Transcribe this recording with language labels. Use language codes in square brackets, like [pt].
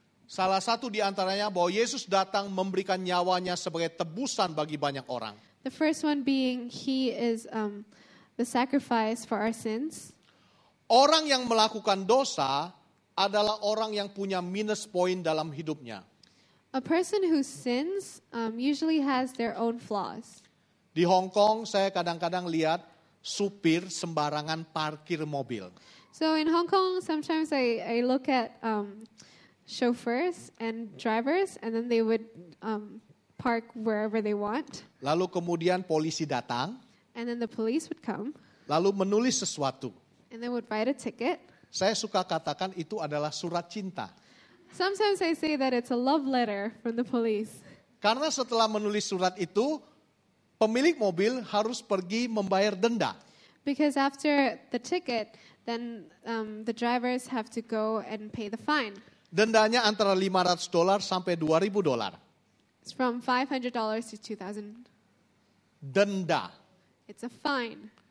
[id] Salah satu di antaranya bahwa Yesus datang memberikan nyawanya sebagai tebusan bagi banyak orang. [en] The first one being he is the sacrifice for our sins. [id] Orang yang melakukan dosa adalah orang yang punya minus point dalam hidupnya. [en] A person who sins usually has their own flaws. [id] Di Hong Kong, saya kadang-kadang lihat supir sembarangan parkir mobil. [en] So in Hong Kong, sometimes I look at chauffeurs and drivers, and then they would park wherever they want. [id] Lalu kemudian polisi datang. [en] And then the police would come. [id] Lalu menulis sesuatu. [en] And they would write a ticket. [id] Saya suka katakan itu adalah surat cinta. [en] Sometimes I say that it's a love letter from the police. [id] Karena setelah menulis surat itu, pemilik mobil harus pergi membayar denda. [en] Because after the ticket, then the drivers have to go and pay the fine. [id] Dendanya antara $500 sampai $2,000. [en] It's from $500 to $2,000. [id] Denda. [en] It's a fine.